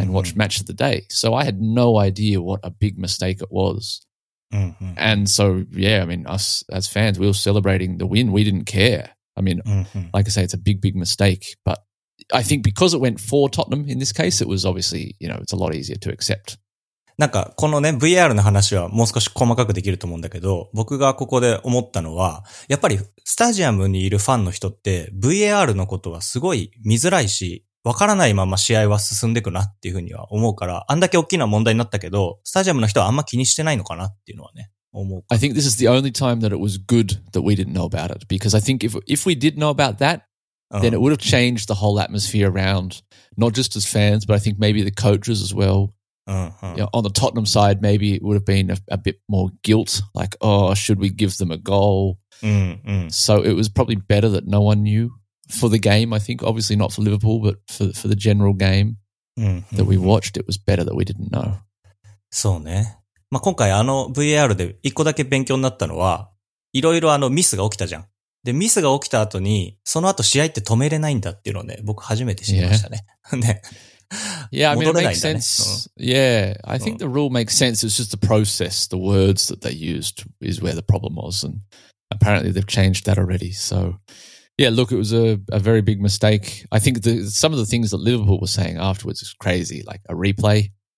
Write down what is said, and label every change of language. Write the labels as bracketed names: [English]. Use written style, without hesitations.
[English] and watched Match of the Day. So I had no idea what a big mistake it was. Mm-hmm. And so, yeah, I mean, us as fans, we were celebrating the win. We didn't care. I mean, mm-hmm. like I say, it's a big, big mistake, but I think because it went for Tottenham in this case, it was obviously, you know, it's a lot easier to accept. [Japanese] なんかこのね、VR の話はもう少し細かくできると思うんだけど、僕がここで思ったのは、やっぱりスタジアムにいるファンの人って VR のことはすごい見づらいし、わからないまま試合は進んでいくなっていうふうには思うから、あんだけ大きな問題になったけど、スタジアムの人はあんま気にしてないのかなっていうのはね、思う。 [English] I think this is the only time that it was good that we didn't know about it, because I think if we did know about that,then it would have changed the whole atmosphere around, not just as fans, but I think maybe the coaches as well. Uh-huh. You know, on the Tottenham side, maybe it would have been a bit more guilt, like, oh, should we give them a goal? Mm-hmm. So it was probably better that no one knew for the game, I think. Obviously not for Liverpool, but for the general game mm-hmm. that we watched, it was better that we didn't know. [Japanese] そうね。まあ、今回あの VAR で一個だけ勉強になったのは、いろいろあのミスが起きたじゃん。で、ミスが起きた後に、その後試合って止めれないんだっていうのをね、僕初めて知りましたね。ね。 [English] Yeah, I mean, it makes sense. Yeah, I think the rule makes sense. It's just the process, the words that they used is where the problem was. And apparently they've changed that already. So, yeah, look, it was a very big mistake. I think some of the things that Liverpool were saying afterwards is crazy, like a replay.